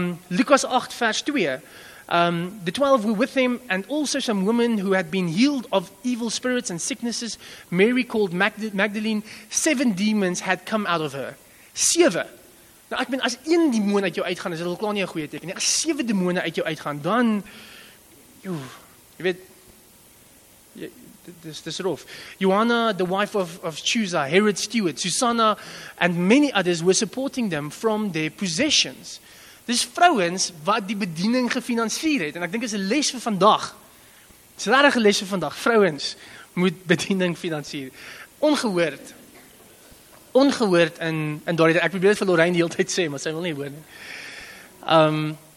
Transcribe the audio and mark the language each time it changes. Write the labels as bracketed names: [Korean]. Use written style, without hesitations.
[Afrikaans] Lukas 8 vers 2, [English] the 12 were with him, and also some women who had been healed of evil spirits and sicknesses, Mary called Magdalene, 7 demons had come out of her. [Afrikaans] 7, nou ek ben, as 1 demon uit jou uitgaan, is dit al klaar nie een goeie teken, as 7 demone uit jou uitgaan, dan, jy weet, [English] this rough. Joanna, the wife of Chusa, Herod Stewart, Susanna, and many others were supporting them from their possessions. [Afrikaans] Dis vrouens wat die bediening gefinansier het, en ek dink is 'n les vir vandag. Dis 'n regte les vir vandag. Vrouens moet bediening finansier. Ongehoord. ongehoord in daardie, ek probeer dit vir Lorraine die hele tyd sê, maar sy wil nie hoor nie.